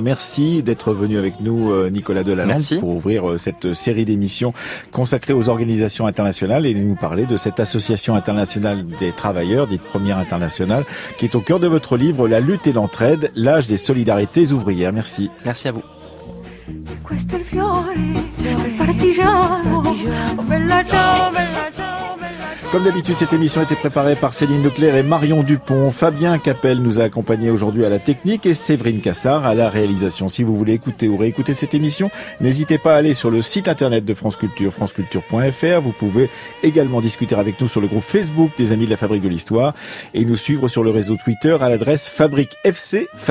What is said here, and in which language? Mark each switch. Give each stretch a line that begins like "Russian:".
French: Merci d'être venu avec nous, Nicolas Delalande, pour ouvrir cette série d'émissions consacrée aux organisations internationales et nous parler de cette Association internationale des travailleurs, dite Première internationale, qui est au cœur de votre livre La lutte et l'entraide, l'âge des solidarités ouvrières. Merci. Merci à vous.
Italian: E questo è il fiore, il partigiano, oh bella ciao, bella ciao.
French: Comme d'habitude, cette émission a été préparée par Céline Leclerc et Marion Dupont. Fabien Capel nous a accompagnés aujourd'hui à la technique et Séverine Cassard à la réalisation. Si vous voulez écouter ou réécouter cette émission, n'hésitez pas à aller sur le site internet de France Culture, franceculture.fr. Vous pouvez également discuter avec nous sur le groupe Facebook des Amis de la Fabrique de l'Histoire et nous suivre sur le réseau Twitter à l'adresse Fabrique FC.